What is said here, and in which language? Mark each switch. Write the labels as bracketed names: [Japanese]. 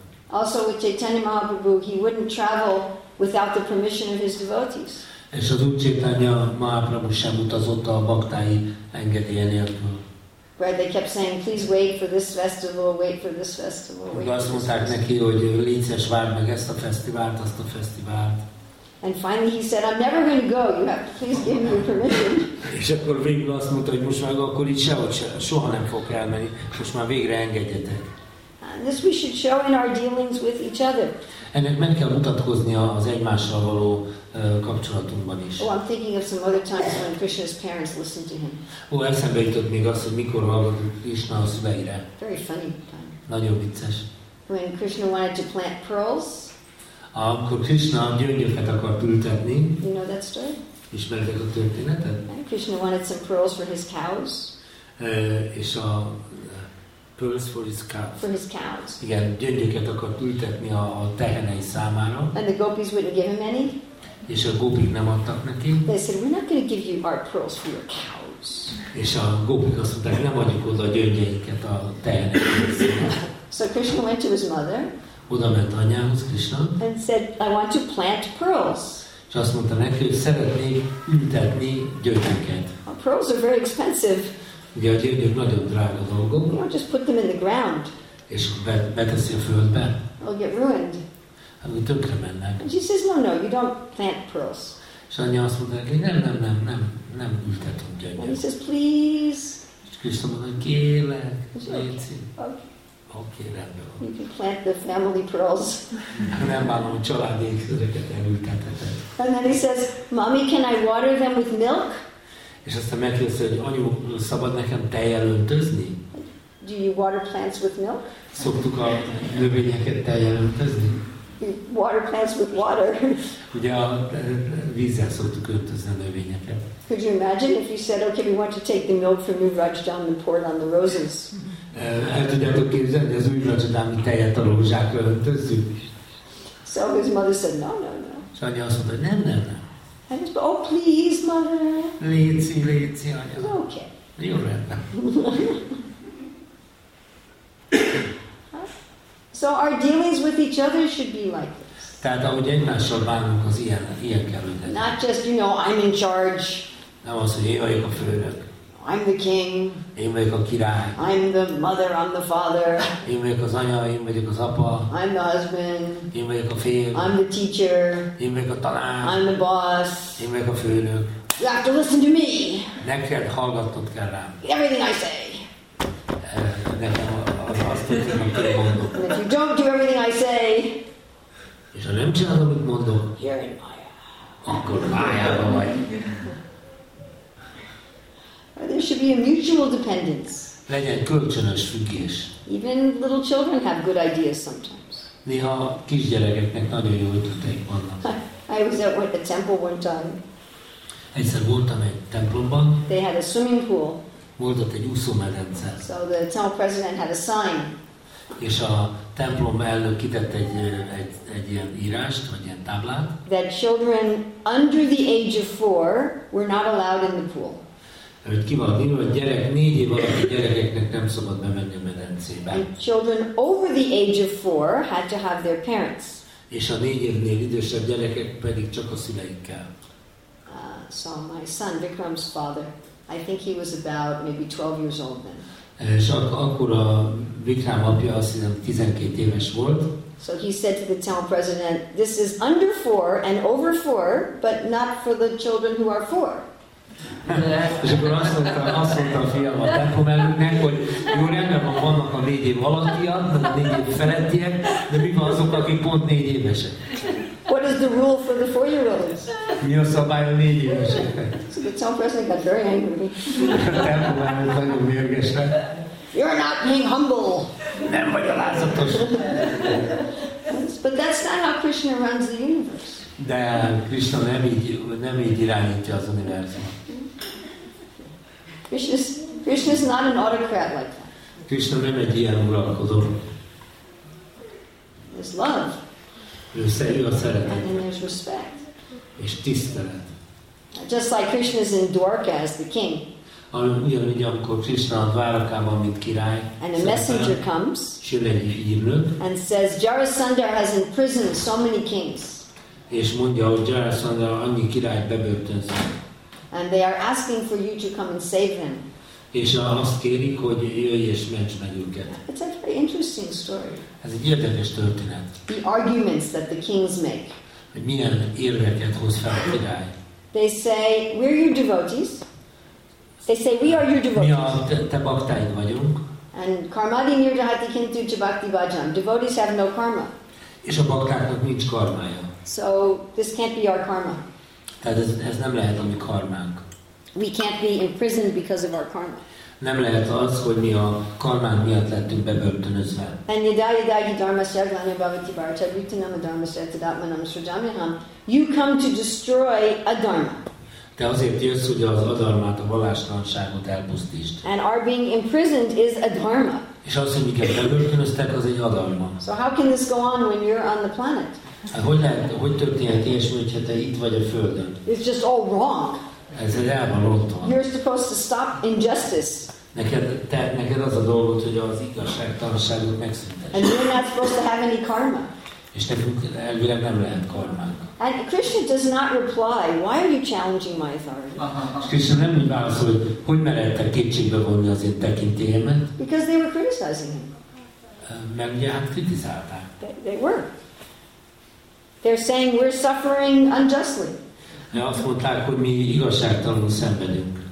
[English] Also with Chaitanya Mahaprabhu, he wouldn't travel without the permission of his devotees. [Hungarian] És az Úr Chaitanya Mahaprabhu sem utazott a baktái engedélye nélkül. [English] Where they kept saying, please wait for this festival, wait for this festival. [Hungarian] Ugye azt mondták neki, hogy légyszer, várd meg ezt a fesztivált, azt a fesztivált. [English] And finally he said, I'm never going to go, you have to please give me permission. [Hungarian] És akkor végül azt mondta, hogy most meg akkor itt soha nem fog elmenni, most már végre engedjetek. [English] And this we should show in our dealings with each other. [Hungarian] Ennek meg kell mutatkozni az egymással való kapcsolatunkban is. [English] Oh, I'm thinking of some other times when Krishna's parents listened to him. [Hungarian] Ó, eszembe jutott még az, hogy mikor hallgatott Krishna a szüleire. [English] Very funny time. [Hungarian] Nagyon vicces. [English] When Krishna wanted to plant pearls. [Hungarian] Akkor Krishna gyöngyöket akart ültetni. [English] You know that story? [Hungarian] Ismertek a történetet? [English] And Krishna wanted some pearls for his cows. [Hungarian] És a [English] pearls for his cows. For his cows. [Hungarian] Igen, gyöngyöket akart ültetni a tehenei számára. [English] And the gopis wouldn't give him any. [Hungarian] És a gópik nem adtak neki. [English] They said, we're not going to give you our pearls for your cows. [Hungarian] És a gópik azt mondták, nem adjuk oda a gyöngyeiket a tehenei [English] So Krishna went to his mother. [Hungarian] Oda ment anyához, Krishna. [English] And said, I want to plant pearls. [Hungarian] És azt mondta neki, hogy szeretné ültetni gyöngyöket. [English] Our pearls are very expensive. [Hungarian] Ugye a gyöngyök nagyon drága dolgok. [English] You know, just put them in the ground. [Hungarian] És beteszi a földbe. [English] They'll get ruined. [Hungarian] Hogy tönkre mennek. [English] And she says, no, no, you don't plant pearls. [Hungarian] És anya azt mondta neki, nem ültetem gyöngyöket. [English] And he says, please. [Hungarian] És Krishna mondta, kérlek, léci. Okay, rendben van. [English] You can plant the family pearls. [Hungarian] Nem bánom, hogy családi ékszereket elültetheted. [English] And then he says, mommy, can I water them with milk? [Hungarian] És aztán megkérdezte, hogy anyu, szabad nekem tejjel öntözni? [English] Do you water plants with milk? [Hungarian] Szoktuk a növényeket tejjel öntözni? [English] Water plants with water. [Hungarian] Ugye a vízzel szoktuk öntözni a növényeket. [English] Could you imagine if you said, okay, we want to take the milk from New Rajadam and pour it on the roses? [Hungarian] El tudjátok képzelni, az Új Rajadami tejet a rózsákra öntözzük? [English] So his mother said, no, no, no. [Hungarian] És anya azt mondta, nem, nem, nem. [English] And he said, oh, please, mother. [Hungarian] Léci, léci, anya. [English] Okay. [Hungarian] Jó, rendben. [English] So our dealings with each other should be like this. [Hungarian] Tehát ahogy egymással bánunk, az ilyen kell lenni. [English] Not just, you know, I'm in charge. [Hungarian] Nem az, hogy én vagyok a főnök. [English] I'm the king. [Hungarian] Én vagyok a király. [English] I'm the mother, I'm the father. [Hungarian] Én vagyok az anya, én vagyok az apa. [English] I'm the husband. [Hungarian] Én vagyok a férj. [English] I'm the teacher. [Hungarian] Én vagyok a tanár. [English] I'm the boss. [Hungarian] Én vagyok a főnök. [English] You have to listen to me. [Hungarian] Neked hallgatnod kell rám. [English] Everything I say. [Hungarian] Nekem azt mondom, amit mondok. [English] And if you don't do everything I say, [Hungarian] és ha nem csinálod, amit mondok, [English] you're in Maya. [Hungarian] Akkor Maya-ba vagy. [English] There should be a mutual dependence. [Hungarian] Legyen kölcsönös függés. [English] Even little children have good ideas sometimes. [Hungarian] Néha kisgyerekeknek nagyon jó ötleteik vannak. [English] I was at the temple one time. [Hungarian] Egyszer voltam egy templomban. [English] They had a swimming pool. [Hungarian] Volt ott egy úszómedence. [English] So the temple president had a sign. [Hungarian] És a templom elnök kitett egy ilyen írást, vagy ilyen táblát. [English] That children under the age of 4 were not allowed in the pool. [Hungarian] Hogy ki van írva, hogy gyerek 4 év alatti gyerekeknek nem szabad bemenni a medencébe. [English] And children over the age of 4 had to have their parents. [Hungarian] És a 4 évnél idősebb gyerekek pedig csak a szüleikkel. [English] So my son, Vikram's father, I think he was about maybe 12 years old then. [Hungarian] És akkor a Vikram apja azt hiszem 12 éves volt. [English] So he said to the town president, this is under 4 and over 4, but not for the children who are 4. [Hungarian] És akkor azt mondta a fiam a templom előnek, hogy jó rendben van, vannak a 4 év alattiak, a 4 év felettiek, de mi van azok, akik pont 4 évesek? [English] What is the rule for the 4-year-olds? [Hungarian] Mi a szabály a 4 éveseknek? [English] So the town president got very angry. [Hungarian] A templom előtt nagyon mérges lett. [English] You're not being humble. [Hungarian] Nem vagy alázatos. [English] But that's not how Krishna runs the universe. [Hungarian] De Krishna nem így irányítja az univerzumot. [English] Krishna is not an autocrat like that. [Hungarian] Krishna nem egy ilyen uralkodó. [English] It's love. [Hungarian] Ő a szeretet. [English] And then there's respect. [Hungarian] És tisztelet. [English] Just like Krishna is in Dwarka as the king. [Hungarian] Ugyanúgy, amikor Krishna a Dwarkában, mint király. [English] And a messenger comes. [Hungarian] És jön egy hírnök. [English] And says, Jarasandha has imprisoned so many kings. [Hungarian] És mondja, hogy Jarasandha annyi királyt bebörtönzött. [English] And they are asking for you to come and save them. [Hungarian] és azt kérik, hogy jöjj és ments meg őket. [English] It's a very interesting story. [Hungarian] Ez egy érdekes történet. [English] The arguments that the kings make. [Hungarian] Hogy milyen érveket hoz fel a király. [English] They say, we're your devotees. They say, we are your devotees. [Hungarian] Mi a te baktáid vagyunk. [English] And [Sanskrit] karmadi nirjahati kintu jabakti bhajam. [English] Devotees have no karma. [Hungarian] És a baktáknak nincs karmája. [English] So this can't be our karma. [Hungarian] Tehát ez nem lehet a mi karmánk. [English] We can't be imprisoned because of our karma. [Hungarian] Nem lehet az, hogy mi a karmánk miatt lettünk bebörtönözve. [Sanskrit] And yadayadayi dharmasyaglanya bhavati bharachabhutinama dharmasyatadatmanam srajamiham. [English] You come to destroy a dharma. [Hungarian] Te azért jössz, hogy az adharmát, a vallástalanságot elpusztítsd. [English] And our being imprisoned is a dharma. [Hungarian] És az, hogy minket bebörtönöztek, az egy adharma. [English] So how can this go on when you're on the planet? [Hungarian] Hogy történhet ilyesmi, hogyha te itt vagy a Földön? [English] It's just all wrong. [Hungarian] Ez egy el van rontva. [English] You're supposed to stop injustice. [Hungarian] Neked az a dolgod, hogy az igazságtalanságot megszüntess. [English] And you're not supposed to have any karma. [Hungarian] És nekünk elvileg nem lehet karmánk. [English] And Krishna does not reply, why are you challenging my authority? [Hungarian] Krishna nem úgy válaszol, hogy mehettek kétségbe vonni az én tekintélyemet. [English] Because they were criticizing him. [Hungarian] Mert ugye hát kritizálták. [English] They were. They're saying we're suffering unjustly. [Hungarian] Ja, azt mondták, hogy mi igazságtalanul szenvedünk.